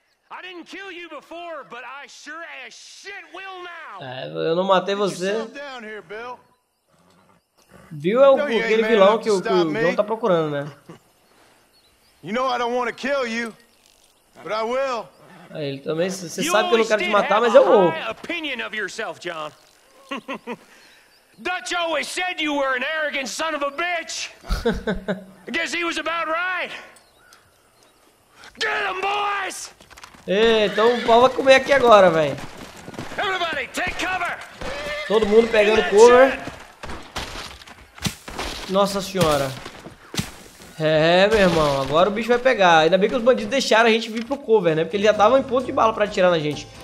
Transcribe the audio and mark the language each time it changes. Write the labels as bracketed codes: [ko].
[en] I didn't kill you before, but I sure as shit will now. [pt] É, eu não matei você. [en] Down here, Bill. [pt] Bill é aquele vilão que o John tá procurando, né? [en] You know I don't want to kill you, but I will. [pt] Aí, ele também, você sabe que eu não quero te matar, mas eu vou. [en] Opinion of yourself, John. Dutch always said you were an arrogant son of a bitch. I guess he was about right. Get him, boys! [pt] Então o pau vai comer aqui agora, velho. [en] Everybody, take cover! [pt] Todo mundo pegando cover. Nossa senhora. Meu irmão, agora o bicho vai pegar. Ainda bem que os bandidos deixaram a gente vir pro cover, né? Porque eles já estavam em ponto de bala pra atirar na gente.